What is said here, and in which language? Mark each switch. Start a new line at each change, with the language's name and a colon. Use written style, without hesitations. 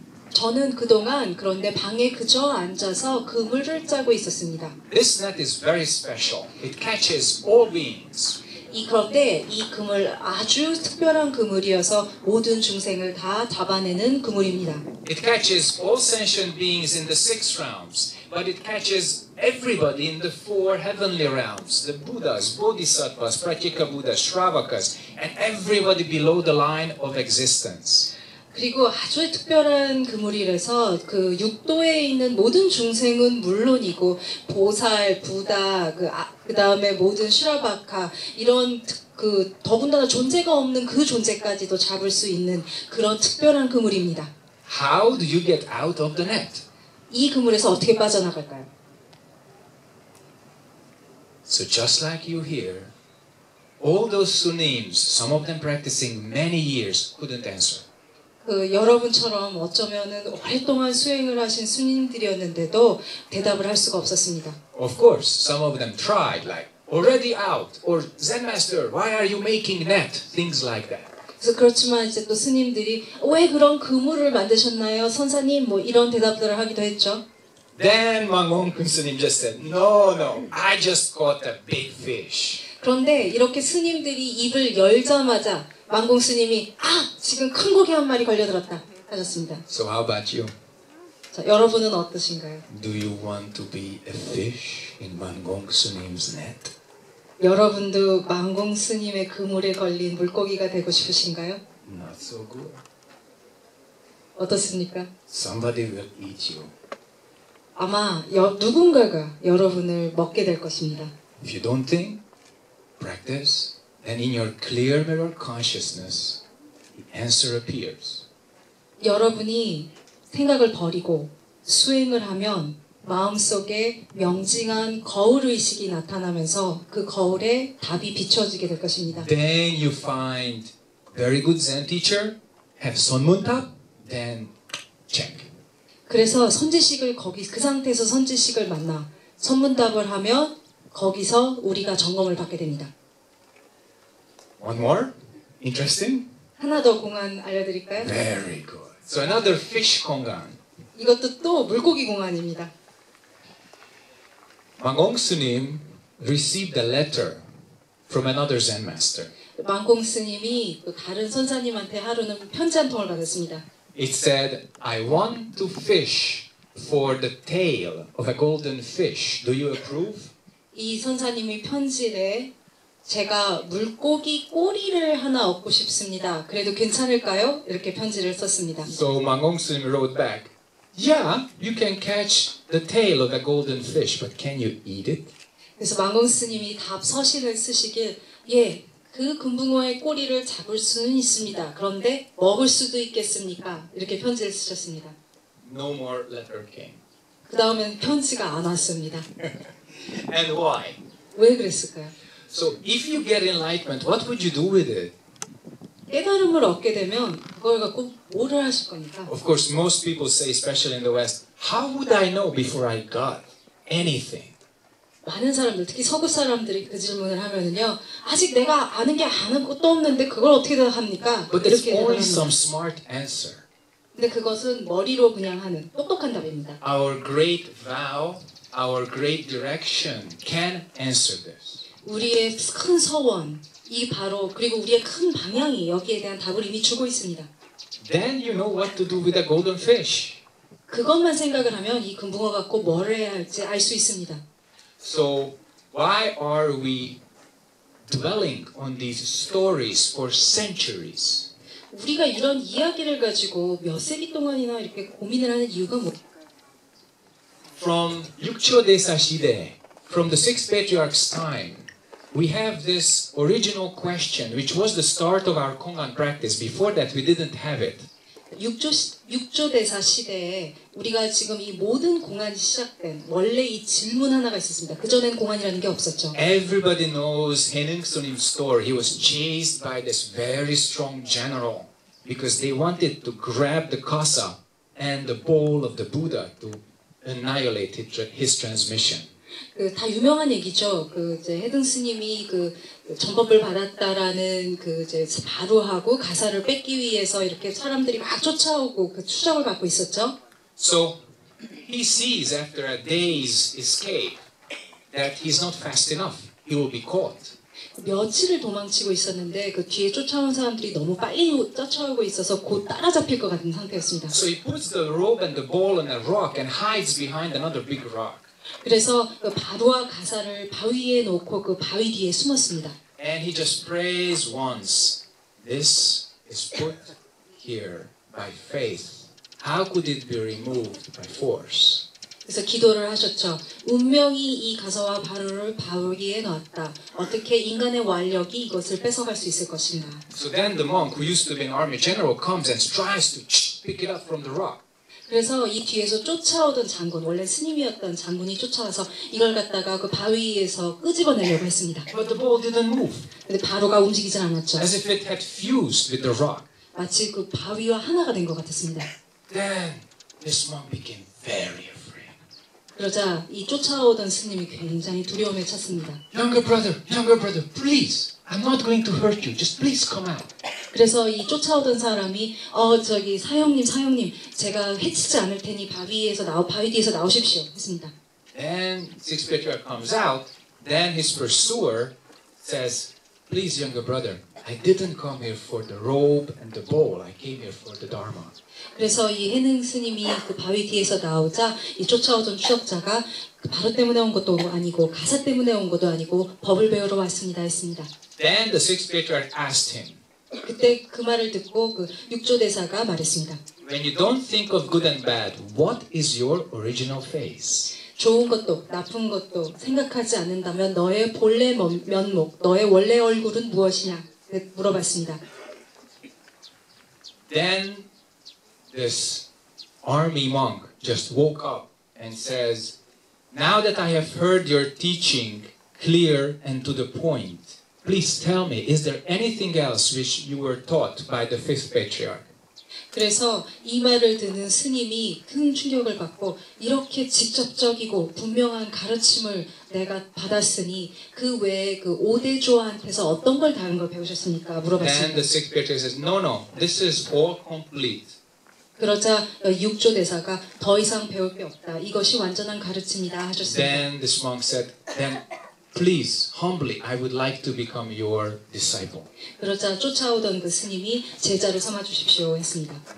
Korean: 저는 그동안 그런데 방에 그저 앉아서 그물을 짜고 있었습니다.
English: This net is very special. It catches all beings.
Korean: 그런데 이 그물 아주 특별한 그물이어서 모든 중생을 다 잡아내는 그물입니다.
English: It catches all sentient beings in the six realms, but it catches everybody in the four heavenly realms, the Buddhas, Bodhisattvas, Pratyekabuddhas, Shravakas, and everybody below the line of existence.
Korean: 그리고 아주 특별한 그물이라서 그 육도에 있는 모든 중생은 물론이고 보살, 부다, 그 다음에 모든 슈라바카 이런 그 더군다나 존재가 없는 그 존재까지도 잡을 수 있는 그런 특별한 그물입니다.
English: How do you get out of the net?
Korean: 이 그물에서 어떻게 빠져나갈까요?
English: So just like you here, all those sunims, some of them practicing many years, couldn't answer.
Korean: 여러분처럼 어쩌면은 오랫동안 수행을 하신 스님들이었는데도 대답을 할 수가 없었습니다.
English: Of course, some of them tried, like already out, or Zen Master, why are you making net? Things like that.
Korean: 그래서 그렇지만 이제 또 스님들이 왜 그런 그물을 만드셨나요, 선사님? 뭐 이런 대답들을 하기도 했죠.
English: Then Wang Hongkun 스님 just said, No, I just caught a big fish.
Korean: 그런데 이렇게 스님들이 입을 열자마자 만공 스님이 지금 큰 고기 한 마리 걸려들었다 하셨습니다.
English: So how about you?
Korean: 여러분은 어떠신가요?
English: Do you want to be a fish in 만공 스님's net?
Korean: 여러분도 만공 스님의 그물에 걸린 물고기가 되고 싶으신가요?
English: Not so good.
Korean: 어떻습니까?
English: Somebody will eat you.
Korean: 아마 누군가가 여러분을 먹게 될 것입니다.
English: If you don't think, practice. And in your clear mirror consciousness, the answer appears.
Korean: 여러분이 생각을 버리고 수행을 하면 마음속에 명징한 거울의식이 나타나면서 그 거울에 답이 비춰지게 될 것입니다.
English: Then you find very good Zen teacher, have Sonmuntap, then check.
Korean: 그래서 선지식을 거기 그 상태에서 선지식을 만나 선문답을 하면 거기서 우리가 점검을 받게 됩니다.
English: One more? Interesting?
Korean: 하나 더 공안 알려드릴까요?
English: Very good. So another fish kongan.
Korean: 이것도 또 물고기 공안입니다.
English: Mangong Sunim received a letter from another Zen master.
Korean: 망공 스님이 또 다른 선사님한테 하루는 편지 한 통을 받았습니다.
English: It said, I want to fish for the tail of a golden fish. Do you approve?
Korean: 이 선사님이 편지에 제가 물고기 꼬리를 하나 얻고 싶습니다. 그래도 괜찮을까요? 이렇게 편지를 썼습니다.
English: So 망공 스님 wrote back, Yeah, you can catch the tail of a golden fish, but can you eat it?
Korean: 그래서 망공 스님이 답 서신을 쓰시길, 예, 그 금붕어의 꼬리를 잡을 수는 있습니다. 그런데 먹을 수도 있겠습니까? 이렇게 편지를 쓰셨습니다.
English: No more letter came.
Korean: 그 다음엔 편지가 안 왔습니다.
English: And why?
Korean: 왜 그랬을까요?
English: So if you get enlightenment, what would you do with it?
Korean: 깨달음을 얻게 되면 그걸 갖고 뭐를 하실 겁니까?
English: Of course, most people say, especially in the West, how would I know before I got anything?
Korean: 많은 사람들, 특히 서구 사람들이 그 질문을 하면은요, 아직 내가 아는 게 아무것도 없는데 그걸 어떻게 합니까?
English: But it's only some smart answer.
Korean: 근데 그것은 머리로 그냥 하는 똑똑한 답입니다.
English: Our great vow, our great direction can answer this.
Korean: 우리의 큰 서원, 이 바로 그리고 우리의 큰 방향이 여기에 대한 답을 이미 주고 있습니다.
English: Then you know what to do with a golden fish.
Korean: 그것만 생각을 하면 이 금붕어 갖고 뭘 해야 할지 알 수 있습니다.
English: So why are we dwelling on these stories for centuries?
Korean: 우리가 이런 이야기를 가지고 몇 세기 동안이나 이렇게 고민을 하는 이유가 뭘까요?
English: From
Korean: 육초대사 시대,
English: from the sixth patriarch's time, we have this original question, which was the start of our Kongan practice. Before that, we didn't have it.
Korean: 육조대사 시대에 우리가 지금 이 모든 공안이 시작된 원래 이 질문 하나가 있었습니다. 그 전엔 공안이라는 게 없었죠.
English: Everybody knows Haenung Sunim's story. He was chased by this very strong general because they wanted to grab the kasa and the bowl of the Buddha to annihilate his transmission.
Korean: 그 다 유명한 얘기죠. 그 이제 해등 스님이 그 전법을 받았다라는 그 이제 바로하고 가사를 뺏기 위해서 이렇게 사람들이 막 쫓아오고 그 추정을 받고 있었죠.
English: So he sees after a day's escape that he's not fast enough. He will be caught.
Korean: 며칠을 도망치고 있었는데 그 뒤에 쫓아온 사람들이 너무 빨리 쫓아오고 있어서 곧 따라잡힐 것 같은 상태였습니다.
English: So he puts the rope and the ball on a rock and hides behind another big rock.
Korean: 그래서 그 바로와 가사를 바위에 놓고 그 바위 뒤에 숨었습니다.
English: And he just prays once. This is put here by faith. How could it be removed by force?
Korean: 그래서 기도를 하셨죠. 운명이 이 가사와 바로를 바위에 놨다. 어떻게 인간의 완력이 이것을 뺏어갈 수 있을 것인가?
English: So then the monk who used to be an army general comes and tries to pick it up from the rock.
Korean: 그래서 이 뒤에서 쫓아오던 장군, 원래 스님이었던 장군이 쫓아와서 이걸 갖다가 그 바위에서 끄집어내려고 했습니다.
English: But the ball didn't move.
Korean: 근데 바로가 움직이질 않았죠.
English: As if it had fused with the rock.
Korean: 마치 그 바위와 하나가 된 것 같았습니다.
English: Then this monk became very afraid.
Korean: 그러자 이 쫓아오던 스님이 굉장히 두려움에 찼습니다.
English: Younger brother, please. I'm not going to hurt you. Just please come out.
Korean: 그래서 이 쫓아오던 사람이 저기 사형님, 사형님, 제가 해치지 않을 테니 바위에서 나오 바위 뒤에서 나오십시오. 했습니다.
English: Then sixth patriarch comes out. Then his pursuer says, "Please, younger brother, I didn't come here for the robe and the bowl. I came here for the Dharma."
Korean: 그래서 이 해능 스님이 그 바위 뒤에서 나오자 이 쫓아오던 추적자가 그 바로 때문에 온 것도 아니고 가사 때문에 온 것도 아니고 법을 배우러 왔습니다 했습니다.
English: Then the sixth patriarch asked him.
Korean: 그때 그 말을 듣고 그 육조대사가 말했습니다.
English: When you don't think of good and bad, what is your original face?
Korean: 좋은 것도 나쁜 것도 생각하지 않는다면 너의 본래 면목, 너의 원래 얼굴은 무엇이냐? 물어봤습니다.
English: Then this army monk just woke up and says, Now that I have heard your teaching clear and to the point, please tell me, is there anything else which you were taught by the fifth patriarch?
Korean: 그래서 이 말을 듣는 스님이 큰 충격을 받고 이렇게 직접적이고 분명한 가르침을 내가 받았으니 그 외에 그 오대조한테서 어떤 걸 다른 걸 배우셨습니까? 물어봤습니다.
English: And the sixth patriarch says, No, no, this is all complete.
Korean: 그러자 육조대사가 더 이상 배울 게 없다. 이것이 완전한 가르침이다 하셨습니다.
English: Then this monk said, then Please, humbly, I would like to become your disciple.
Korean: 그러자 쫓아오던 그 스님이 제자로 삼아주십시오 했습니다.